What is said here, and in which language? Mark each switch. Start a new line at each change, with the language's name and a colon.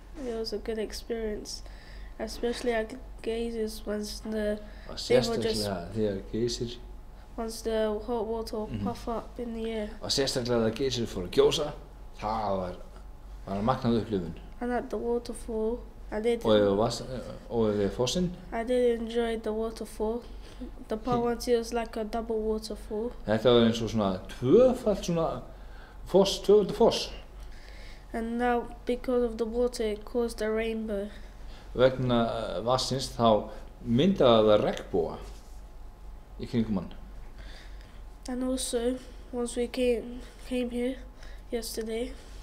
English: It was a good experience. Especially at geysers once the they were geysir. Once the hot water puff up in the air.
Icelandic: Og sérstaklega að geysir fóru að gjósa. Það var að magnað upplifun.
English: And at the waterfall. I did enjoy the waterfall. The part was like a double waterfall.
Icelandic: Þetta var eins og svona tvöfalt svona foss, tvöfalt foss.
English: And now because of the water it caused a rainbow.
Icelandic: Vegna vatnsins þá myndaði það regnbóga í kringum hann.
English: And also once we came here yesterday.